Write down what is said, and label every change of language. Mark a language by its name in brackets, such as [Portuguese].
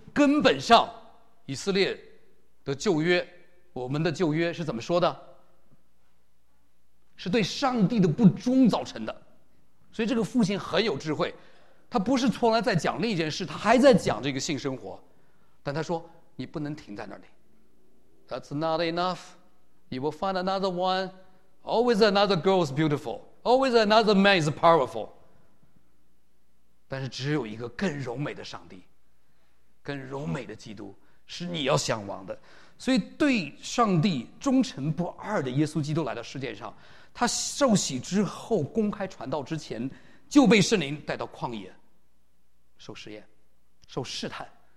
[Chinese] 根本上以色列的旧约，我们的旧约是怎么说的？是对上帝的不忠造成的。所以这个父亲很有智慧，他不是从来在讲另一件事，他还在讲这个性生活，但他说你不能停在那里。 [English] That's not enough. You will find another one. Always another girl is beautiful. Always another man is powerful. [Chinese] 但是只有一个更柔美的上帝，更柔美的基督，是你要向往的。所以对上帝忠诚不二的耶稣基督来到世界上，他受洗之后公开传道之前，就被圣灵带到旷野受试验受试探。